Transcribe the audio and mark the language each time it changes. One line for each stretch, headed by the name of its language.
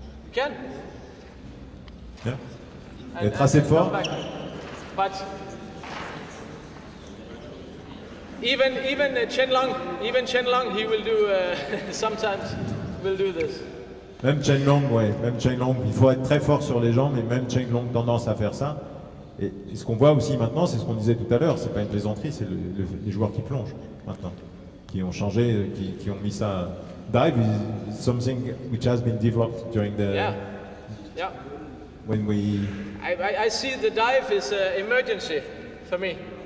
English: You can.
French: Yeah. Être assez fort.
English: But even Chen Long, he will do sometimes will do this.
French: Même Chen Long, ouais, même Chen Long, il faut être très fort sur les jambes, mais même Chen Long tendance à faire ça. Et ce qu'on voit aussi maintenant, c'est ce qu'on disait tout à l'heure, c'est pas une plaisanterie, c'est les joueurs qui plongent maintenant, qui ont changé, qui ont mis ça.
English: Dive is something which has been developed during the. Yeah. When we. I see the dive is an emergency for me.